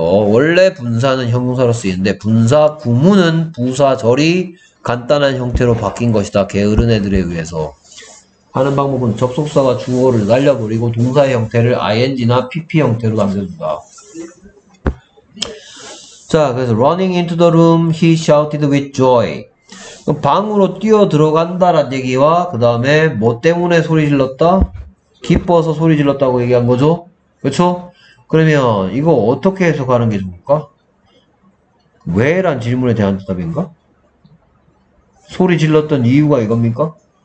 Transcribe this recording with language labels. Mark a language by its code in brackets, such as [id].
[ko] 원래 분사는 형용사로 쓰이는데 분사 구문은 부사절이 간단한 형태로 바뀐 것이다. 게으른 애들에 의해서. 하는 방법은 접속사가 주어를 날려버리고 동사의 형태를 ing나 pp 형태로 남겨준다. 자, 그래서 [en] running into the room, he shouted with joy. [ko] 그럼 방으로 뛰어 들어간다란 얘기와 그 다음에 뭐 때문에 소리 질렀다? 기뻐서 소리 질렀다고 얘기한 거죠? 그렇죠? 그러면 이거 어떻게 해석하는 게 좋을까? 왜? 란 질문에 대한 대답인가? 소리 질렀던 이유가 이겁니까?